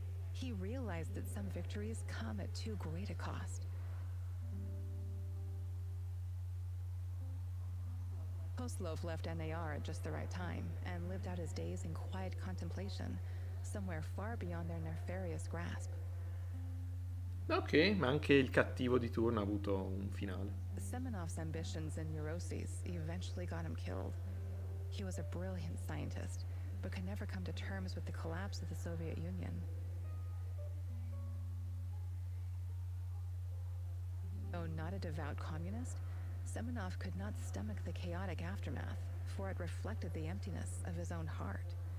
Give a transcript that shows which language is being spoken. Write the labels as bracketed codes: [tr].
[en] He realized that some victories come at too great a cost. Kozlov left NAR at just the right time and lived out his days in quiet contemplation, somewhere far beyond their nefarious grasp. [it] Ok, ma anche il cattivo di turno ha avuto un finale. [en] Semenov's ambitions and neuroses eventually got him killed. He was a brilliant scientist, but could never come to terms with the collapse of the Soviet Union. Though not a devout communist, Semenov could not stomach the chaotic aftermath, for it reflected the emptiness of his own heart.